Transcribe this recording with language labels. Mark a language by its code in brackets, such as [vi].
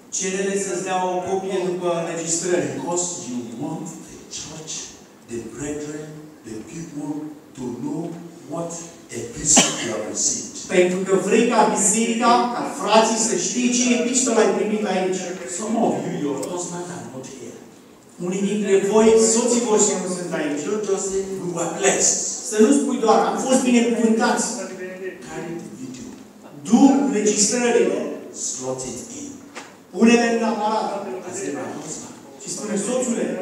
[ro] Cere-le să-ți dea o copie după înregistrări. [en] Because you want the church, the brethren, the people to know what epistle you have received. [ro] Pentru că vrei ca biserica, ca frații să știi ce epistolă ai primit aici. [en] Some of you, your husband are not here. [ro] Unii dintre voi, soții voștri nu sunt aici. [en] Don't just say, we were blessed. [ro] Să nu spui doar, am fost binecuvântați. [en] Carry the video. [ro] Du înregistrările. [en] Slot it in. [ro] Pune-le în aparat. [en] I said, my husband, [ro] și spune, soțule,